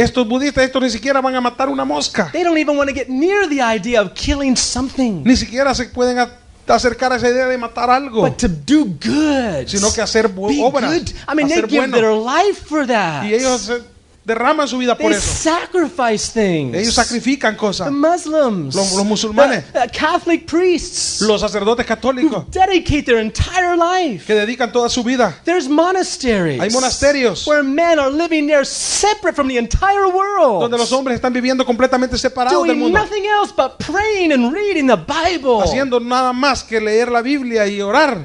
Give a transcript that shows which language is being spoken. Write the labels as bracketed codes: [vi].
[es] Estos budistas, estos ni siquiera van a matar una mosca. [en] They don't even want to get near the idea of killing something. [es] Ni siquiera se pueden acercar a esa idea de matar algo. [en] But to do good. [es] Sino que hacer [en] obras. Be good. I mean, they give [es] bueno. [en] Their life for that. [es] Y ellos derraman su vida [en] they [es] por eso. [en] Sacrifice things. [es] Ellos sacrifican cosas. [en] The Muslims, [es] los musulmanes. [en] The Catholic priests, [es] los sacerdotes católicos. [en] Who dedicate their entire life. [es] Que dedican toda su vida. [en] There's monasteries. [es] Hay monasterios. [en] Where men are living there separate from the entire world. [es] Donde los hombres están viviendo completamente separados [en] doing [es] del mundo. [en] Nothing else but praying and reading the Bible. [es] Haciendo nada más que leer la Biblia y orar.